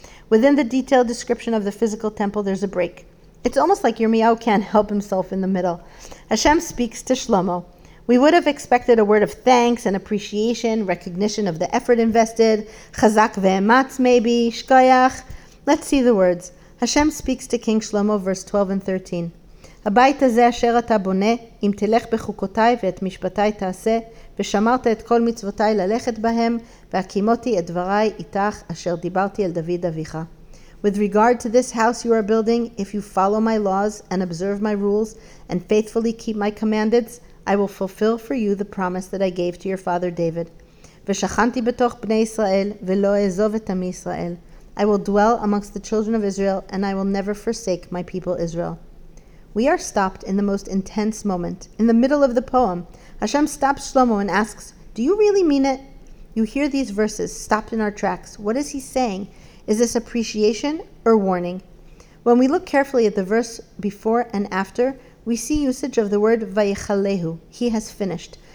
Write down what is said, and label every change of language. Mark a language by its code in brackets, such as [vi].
[en] Within the detailed description of the physical temple, there's a break. It's almost like Yirmiyahu can't help himself in the middle. Hashem speaks to Shlomo. We would have expected a word of thanks and appreciation, recognition of the effort invested, chazak ve'ematz maybe, shkoyach. Let's see the words. Hashem speaks to King Shlomo, verse 12 and 13. [he] הבית הזה אשר אתה בונה, אם תלך בחוקותיי ואת משפטיי תעשה, ושמרת את כל מצוותיי ללכת בהם, והקימותי את דבריי איתך אשר דיברתי אל דוד אביך. [en] With regard to this house you are building, if you follow my laws and observe my rules and faithfully keep my commandments, I will fulfill for you the promise that I gave to your father David. [he] ושכנתי בתוך בני ישראל ולא אעזוב את עמי ישראל. [en] I will dwell amongst the children of Israel and I will never forsake my people Israel. We are stopped in the most intense moment, in the middle of the poem. Hashem stops Shlomo and asks, "Do you really mean it?" You hear these verses, stopped in our tracks. What is he saying? Is this appreciation or warning? When we look carefully at the verse before and after, we see usage of the word vayechalehu, he has finished.